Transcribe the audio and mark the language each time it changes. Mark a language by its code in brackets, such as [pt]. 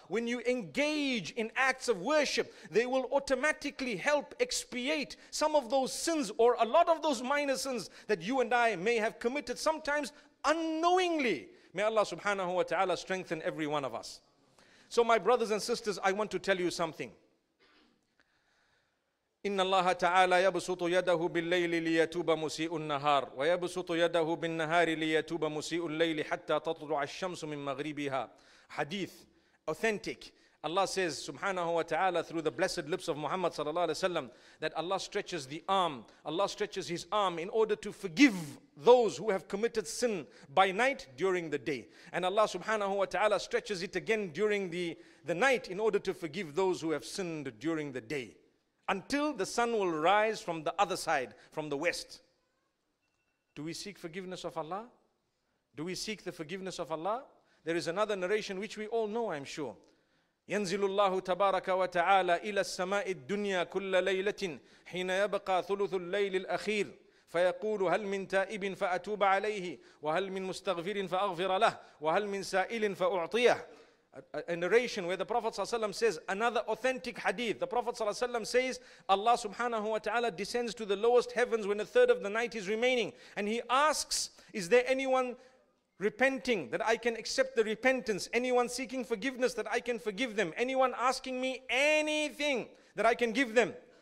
[en] When you engage in acts of worship, they will automatically help expiate some of those sins or a lot of those minor sins that you and I may have committed sometimes unknowingly. May Allah subhanahu wa ta'ala strengthen every one of us. So my brothers and sisters, I want to tell you something. [ar] إن الله تعالى يبسط يده بالليل ليتوب مسيء النهار ويبسط يده بالنهار ليتوب مسيء الليل حتى تطلع الشمس من مغربها. [en] Hadith, authentic. Allah says subhanahu wa ta'ala through the blessed lips of Muhammad sallallahu alayhi wa sallam that Allah stretches the arm, Allah stretches his arm in order to forgive those who have committed sin by night during the day. And Allah subhanahu wa ta'ala stretches it again during the night in order to forgive those who have sinned during the day. Until the sun will rise from the other side, from the west. Do we seek forgiveness of Allah? Do we seek the forgiveness of Allah? There is another narration which we all know, I'm sure. [ar] يَنْزِلُ اللَّهُ تَبَارَكَ وَتَعَالَى إِلَى السَّمَاءِ الدُّنْيَا كُلَّ لَيْلَةٍ حِينَ يَبْقَى ثُلُثُ اللَّيْلِ الْأَخِيرِ فيقول هل من تائب فأتوب عليه وهل من مستغفر فأغفر له وهل من سائل فأعطيه. [en] A narration where the Prophet ﷺ says, another authentic hadith, the Prophet ﷺ says, Allah subhanahu wa ta'ala descends to the lowest heavens when a third of the night is remaining. And he asks, is there anyone repenting that I can accept the repentance? Anyone seeking forgiveness that I can forgive them? Anyone asking me anything that I can give them?